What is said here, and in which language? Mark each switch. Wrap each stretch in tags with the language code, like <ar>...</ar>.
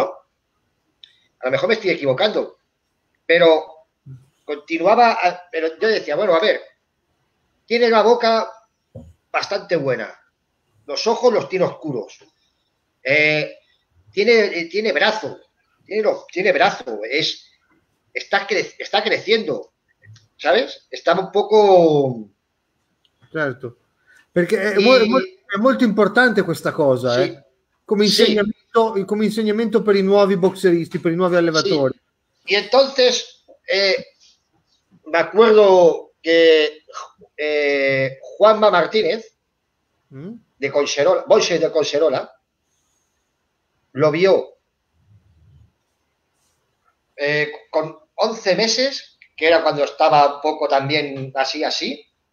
<es>A lo mejor me estoy equivocando. Pero continuaba, pero yo decía, bueno, a ver, tiene la boca bastante buena, los ojos los tiene oscuros, tiene brazo, está creciendo, ¿sabes? Está un poco...</es> <it>Certo, perché è molto importante questa cosa, sì, eh? Come insegnamento per i nuovi boxeristi, per i nuovi allevatori. Sì.</it> <es>E entonces me acuerdo che Juanma Martínez, de Collserola, Boxer de Collserola, lo vio con 11 meses, que era cuando estaba un poco también así.</es>